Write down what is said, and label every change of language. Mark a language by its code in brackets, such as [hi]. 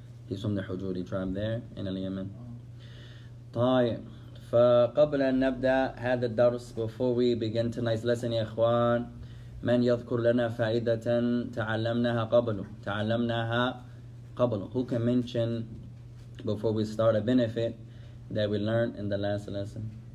[en] He's from the Hujuri tribe there in Yemen. [ar] طيب فقبل أن نبدأ هذا الدرس, [en] before we begin tonight's lesson, [ar] يا إخوان, من يذكر لنا فائدة تعلمناها قبل. [en] Who can mention, before we start, a benefit that we learned in the last lesson?